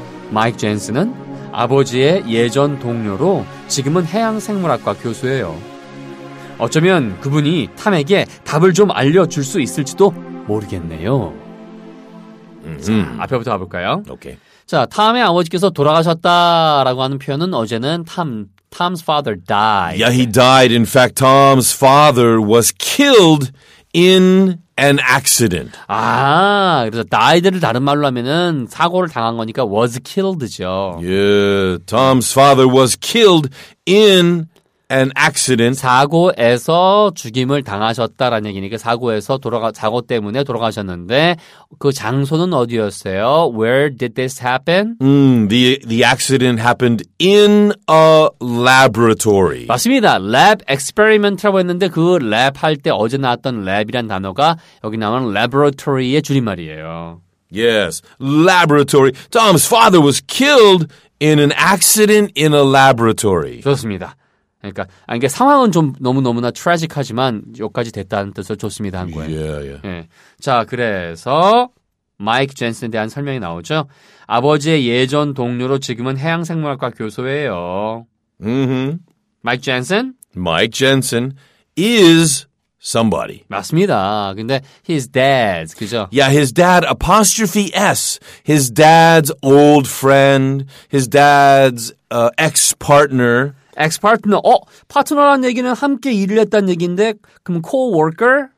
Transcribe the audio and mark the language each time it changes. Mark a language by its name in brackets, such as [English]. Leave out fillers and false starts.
[Korean] 마이크 젠슨은 아버지의 예전 동료로 지금은 해양생물학과 교수예요. 어쩌면 그분이 탐에게 답을 좀 알려줄 수 있을지도 모르겠네요. 자, 앞에부터 가볼까요? 오케이. 자, 탐의 아버지께서 돌아가셨다라고 하는 표현은 어제는 [English] Tom's father died. Yeah, he died. In fact, Tom's father was killed in an accident. [Korean] 아, 그래서 died를 다른 말로 하면은 사고를 당한 거니까 was killed죠. [English] Yeah, Tom's father was killed in an accident. [Korean] 사고에서 죽임을 당하셨다라는 얘기니까 사고에서 돌아가 사고 때문에 돌아가셨는데 그 장소는 어디였어요? [English] Where did this happen? The accident happened in a laboratory. [Korean] 맞습니다. Lab experiment라고 했는데 그 lab 할 때 어제 나왔던 lab이란 단어가 여기 나오는 laboratory의 줄임말이에요. [English] Yes, laboratory. Tom's father was killed in an accident in a laboratory. [Korean] 좋습니다. 그러니까 이게 상황은 좀 너무너무나 트라직하지만 여기까지 됐다는 뜻으로 좋습니다 한 거예요. [English] Yeah, yeah. 예. [Korean] 자, 그래서 마이크 젠슨에 대한 설명이 나오죠. 아버지의 예전 동료로 지금은 해양생물학과 교수예요. Mm-hmm. [English] Mike Jensen? Mike Jensen is somebody. [Korean] 맞습니다. 근데 his dad, 그죠? [English] Yeah, his dad, apostrophe S. His dad's old friend, his dad's ex-partner. Ex-partner. [Korean] 어, 파트너라는 얘기는 함께 일을 했다는 얘기인데 그럼 co-worker?